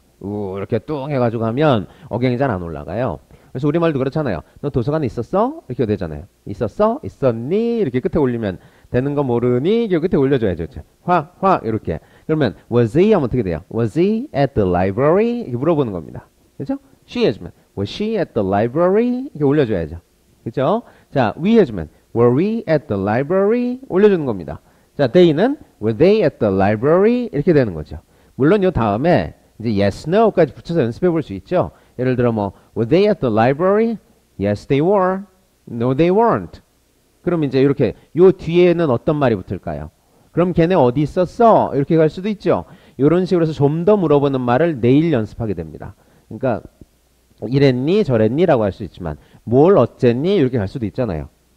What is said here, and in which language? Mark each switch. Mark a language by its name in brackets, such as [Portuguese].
[Korean] 우 이렇게 뚱 해가지고 하면 억양이 잘안 올라가요. 그래서 우리말도 그렇잖아요. 너 도서관에 있었어? 이렇게 되잖아요. 있었어? 있었니? 이렇게 끝에 올리면 되는 거 모르니? 이렇게 끝에 올려줘야죠. 확확 이렇게. 그러면 was he 하면 어떻게 돼요? [English] Was he at the library? [Korean] 이렇게 물어보는 겁니다. 그렇죠? she 해주면 [English] Was she at the library? [Korean] 이렇게 올려줘야죠. 그죠? 자, [English] we [Korean] 해주면, [English] were we at the library? [Korean] 올려주는 겁니다. 자, they는, [English] were they at the library? [Korean] 이렇게 되는 거죠. 물론, 요 다음에, 이제 yes, no까지 붙여서 연습해 볼수 있죠? 예를 들어, 뭐, [English] were they at the library? Yes, they were. No, they weren't. [Korean] 그럼 이제 이렇게, 요 뒤에는 어떤 말이 붙을까요? 그럼 걔네 어디 있었어? 이렇게 갈 수도 있죠? 요런 식으로 해서 좀더 물어보는 말을 내일 연습하게 됩니다. 그러니까, 이랬니 저랬니 라고 할수 있지만 뭘 어쨌니 이렇게 갈 수도 있잖아요.